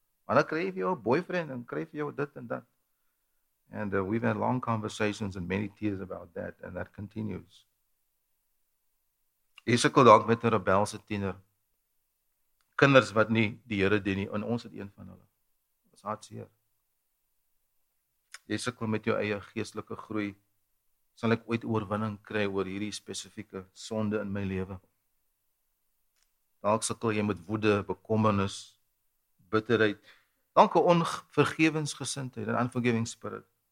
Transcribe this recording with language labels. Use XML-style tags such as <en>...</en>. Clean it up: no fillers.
<af>Wanneer kry jy jou boyfriend en kry jy jou dit en dat?</af> <en>And we've had long conversations and many tears about that, and that continues.</en> <af>Jy sukkel dalk met 'n rebelse tiener. Kinders wat nie die Here dien nie, en ons het een van hulle. Ons hartseer. Jy sukkel met jou eie geestelike groei. Sal ek ooit oorwinning kry oor hierdie spesifieke sonde in my lewe? Dalk sukkel jy met woede, bekommernis, bitterheid, dalk 'n onvergewensgesindheid,</af> <en>an unforgiving spirit.</en>